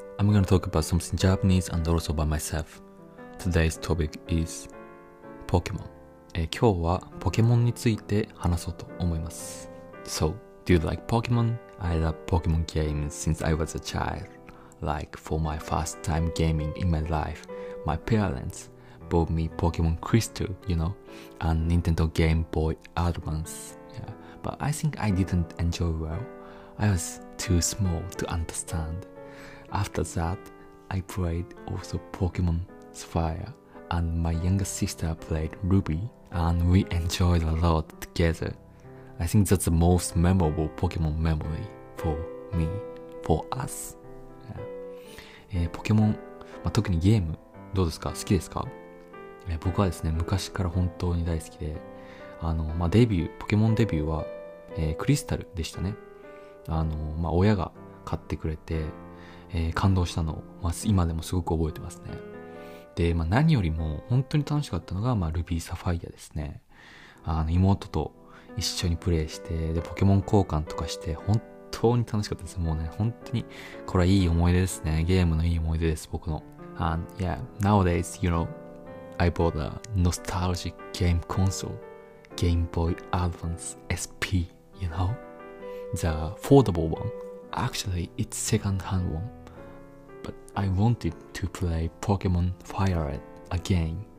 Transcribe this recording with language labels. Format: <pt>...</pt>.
<en>I'm gonna talk about something Japanese and also by myself. Today's topic is Pokemon.</en> <ja>今日はポケモンについて話そうと思います。</ja> <en>So, do you like Pokemon? I love Pokemon games since I was a child. Like, for my first time gaming in my life, my parents bought me Pokemon Crystal, you know, and Nintendo Game Boy Advance. Yeah, but I think I didn't enjoy well. I was too small to understand. After that, I played also Pokemon Sapphire, and my younger sister played Ruby, and we enjoyed a lot together. I think that's the most memorable Pokemon memory for me, for us.</en> <ja>ポケモン、まあ、特にゲーム、どうですか？好きですか？僕はですね、昔から本当に大好きで、まあ、デビュー、ポケモンデビューは、クリスタルでしたね。まあ、親が買ってくれて、感動したのを、まあ、今でもすごく覚えてますね。で、まあ、何よりも本当に楽しかったのが、まあ、ルビーサファイアですね。妹と一緒にプレイして、で、ポケモン交換とかして、本当に楽しかったです。もうね、本当に、これはいい思い出ですね。ゲームのいい思い出です、僕の。</ja> <en>And yeah, nowadays, you know, I bought a nostalgic game console, Game Boy Advance SP, you know? The affordable one. Actually, it's second-hand one. But I wanted to play Pokemon FireRed again.</en>